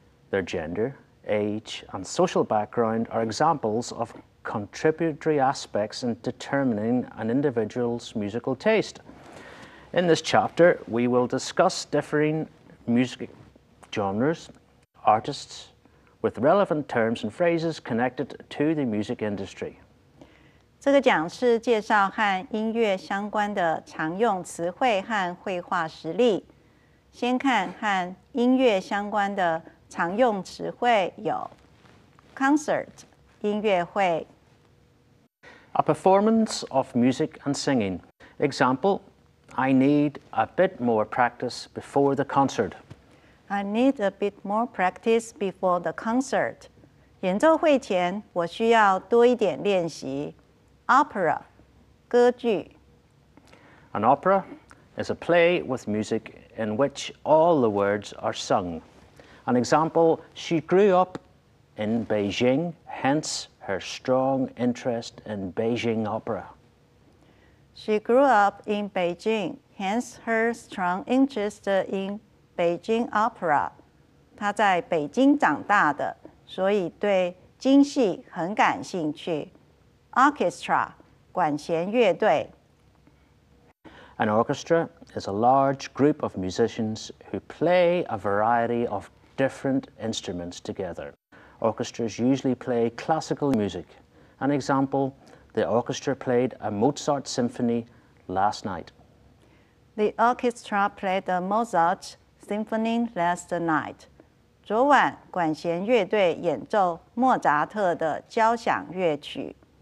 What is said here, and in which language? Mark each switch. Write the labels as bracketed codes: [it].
[en] Their gender, age, and social background are examples of contributory aspects in determining an individual's musical taste. In this chapter, we will discuss differing music genres, artists, with relevant terms and phrases connected to the music industry. [zh] 这个讲是介绍和音乐相关的常用词汇和绘画实例。先看和音乐相关的常用词汇有 concert 音乐会 [en] ，a performance of music and singing. Example: I need a bit more practice before the concert. I need a bit more practice before the concert. [zh] 演奏会前，我需要多一点练习。 [en] Opera, 歌剧。 An opera is a play with music in which all the words are sung. An example, she grew up in Beijing, hence her strong interest in Beijing opera. She grew up in Beijing, hence her strong interest in Beijing opera. [zh] 她在北京长大的，所以对京戏很感兴趣。 [en] Orchestra, 管弦乐队。 An orchestra is a large group of musicians who play a variety of different instruments together. Orchestras usually play classical music. An example, the orchestra played a Mozart symphony last night. The orchestra played a Mozart symphony last night. [zh] 昨晚管弦乐队演奏莫扎特的交响乐曲。